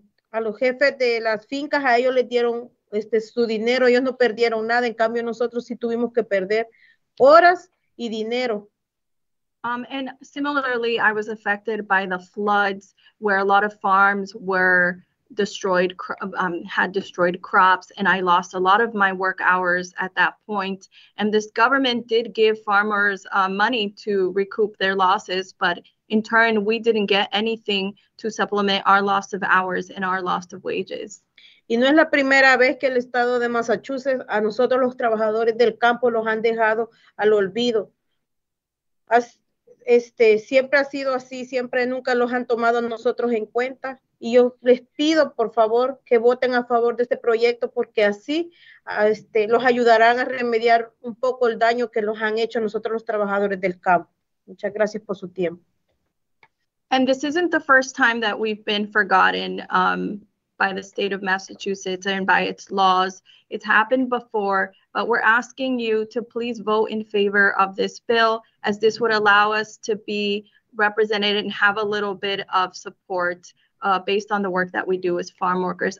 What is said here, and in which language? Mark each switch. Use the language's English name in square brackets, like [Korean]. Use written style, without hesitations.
[Spanish] A los jefes de las fincas, a ellos les dieron su dinero, ellos no perdieron nada. En cambio, nosotros sí tuvimos que perder horas y dinero. [English] And similarly, I was affected by the floods, where a lot of farms were destroyed, had destroyed crops, and I lost a lot of my work hours at that point. And this government did give farmers money to recoup their losses, but in turn, we didn't get anything to supplement our loss of hours and our loss of wages. [Spanish] Y no es la primera vez que el estado de Massachusetts a nosotros los trabajadores del campo los han dejado al olvido. Siempre ha sido así, siempre nunca los han tomado a nosotros en cuenta. Y yo les pido, por favor, que voten a favor de este proyecto, porque así los ayudarán a remediar un poco el daño que los han hecho nosotros los trabajadores del campo. Muchas gracias por su tiempo. [English] And this isn't the first time that we've been forgotten by the state of Massachusetts and by its laws. It's happened before, but we're asking you to please vote in favor of this bill, as this would allow us to be represented and have a little bit of support based on the work that we do as farm workers.